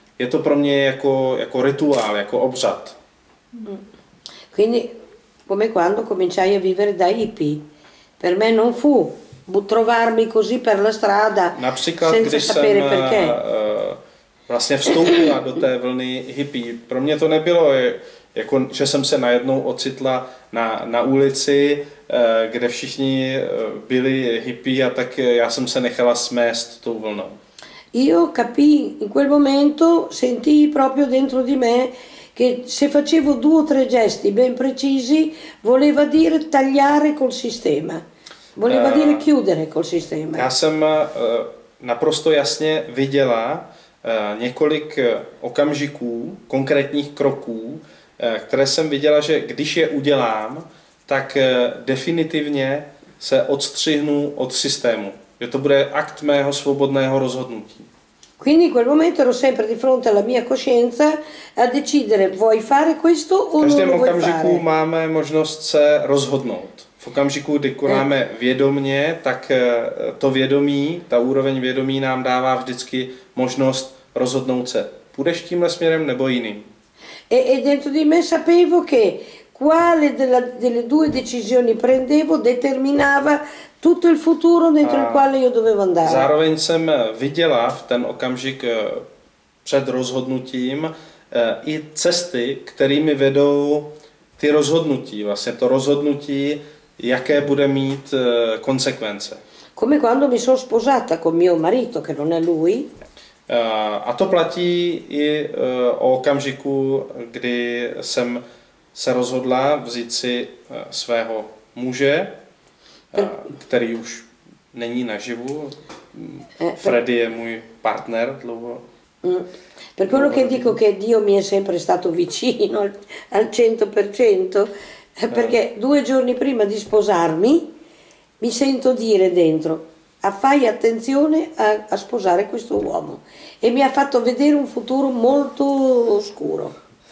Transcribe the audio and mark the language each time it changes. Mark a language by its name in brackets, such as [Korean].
[Czech] Je to pro mě jako rituál, jako obřad. [Italian] Quindi come quando cominciai a vivere da hippie, per me non fu trovarmi così per la strada senza sapere perché. [Czech] Vlastně vstoupila do té vlny hippie. Pro mě to nebylo, jako, že jsem se najednou ocitla na ulici, kde všichni byli hippie, a tak já jsem se nechala smést tou vlnou. [Italian] Io capì in quel momento, sentii proprio dentro di me che se facevo due o tre gesti ben precisi, voleva dire tagliare col sistema. Voleva dire chiudere col sistema. [Czech] Já jsem naprosto jasně viděla několik okamžiků, konkrétních kroků, které jsem viděla, že když je udělám, tak definitivně se odstřihnu od systému. Že to bude akt mého svobodného rozhodnutí. [Italian] Quindi in quel momento ero sempre di fronte alla mia coscienza a decidere vuoi fare questo o non lo vuoi fare. [Czech] V každém okamžiku máme možnost se rozhodnout. V okamžiku, kdy konáme vědomně, tak to vědomí, ta úroveň vědomí nám dává vždycky možnost rozhodnout se. Půjdeš tímhle směrem nebo jiným? [Italian] E dentro di me sapevo che quale delle due decisioni prendevo determinava tutto il futuro dentro il quale io dovevo andare. [Czech] Zároveň jsem viděla v ten okamžik před rozhodnutím, i cesty, kterými vedou ty rozhodnutí, vlastně to rozhodnutí, jaké bude mít konsekvence. [Italian] Come quando mi sono sposata con mio marito che non è lui. [Czech] A to platí i o okamžiku, kdy jsem se rozhodla vzít si svého muže, který už není naživu. Freddy je můj partner dlouho. [Italian] Per quello che dico che Dio mi è sempre stato vicino al 100%, perché due giorni prima di sposarmi mi sento dire dentro: fai attenzione a sposare questo uomo, e mi ha fatto vedere un futuro molto oscuro.